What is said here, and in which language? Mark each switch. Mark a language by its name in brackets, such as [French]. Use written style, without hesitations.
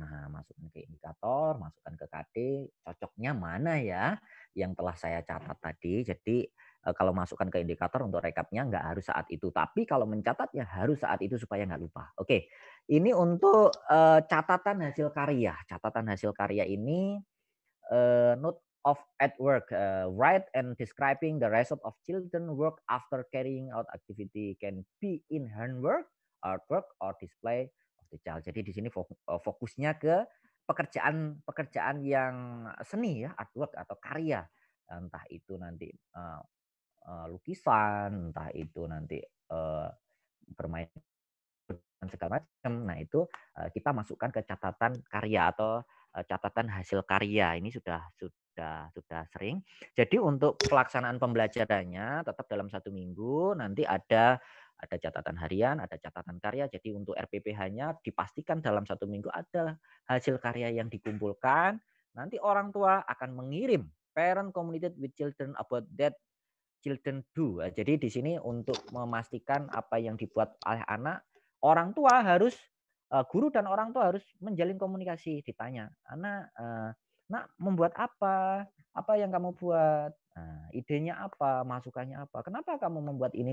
[Indonesian] Nah, masukkan ke indikator, masukkan ke KD, cocoknya mana ya yang telah saya catat tadi. Jadi kalau masukkan ke indikator untuk rekapnya nggak harus saat itu. Tapi kalau mencatatnya harus saat itu supaya nggak lupa. Oke, ini untuk catatan hasil karya. Catatan hasil karya ini note of at work. [English] Write and describing the result of children work after carrying out activity can be in handwork, artwork, or display of the child. [Indonesian] Jadi di sini fokusnya ke pekerjaan-pekerjaan yang seni ya, artwork atau karya, entah itu nanti lukisan, entah itu nanti bermain dan segala macam. Nah, itu kita masukkan ke catatan karya atau catatan hasil karya. Ini sudah sering. Jadi untuk pelaksanaan pembelajarannya tetap dalam satu minggu, nanti ada catatan harian, ada catatan karya. Jadi untuk RPPH-nya dipastikan dalam satu minggu ada hasil karya yang dikumpulkan. Nanti orang tua akan mengirim [English] parent communicated with children about that children do. [Indonesian] Jadi di sini untuk memastikan apa yang dibuat oleh anak, orang tua harus, guru dan orang tua harus menjalin komunikasi, ditanya, anak, nak membuat apa? Apa yang kamu buat? Nah, idenya apa? Masukannya apa? Kenapa kamu membuat ini?